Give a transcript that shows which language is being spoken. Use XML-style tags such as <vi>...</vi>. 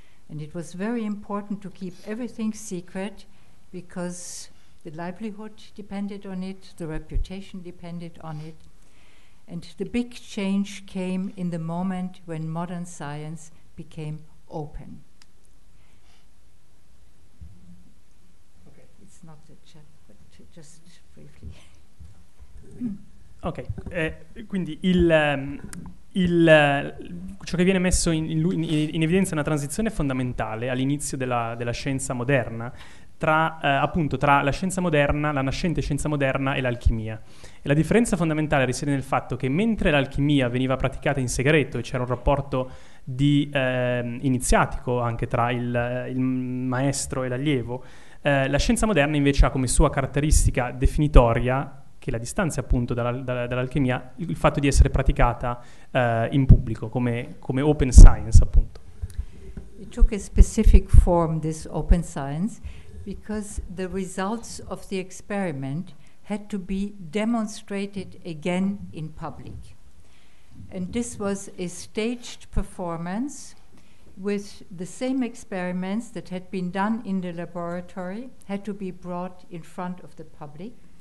<en>And it was very important to keep everything secret, because the livelihood depended on it, the reputation depended on it. And the big change came in the moment when modern science became open. Okay, it's not a chat, but just briefly.</en> <it>Okay, quindi ciò che viene messo in evidenza è una transizione fondamentale all'inizio della scienza moderna, tra la scienza moderna, la nascente scienza moderna e l'alchimia. E la differenza fondamentale risiede nel fatto che mentre l'alchimia veniva praticata in segreto e c'era un rapporto di iniziatico anche tra il maestro e l'allievo, la scienza moderna invece ha come sua caratteristica definitoria, che la distanza appunto dall'alchimia, il fatto di essere praticata in pubblico, come open science appunto.</it> <en>it took a specific form, this open science, because the results of the experiment had to be demonstrated again in public. And this was a staged performance with the same experiments that had been done in the laboratory had to be brought in front of the public.</en>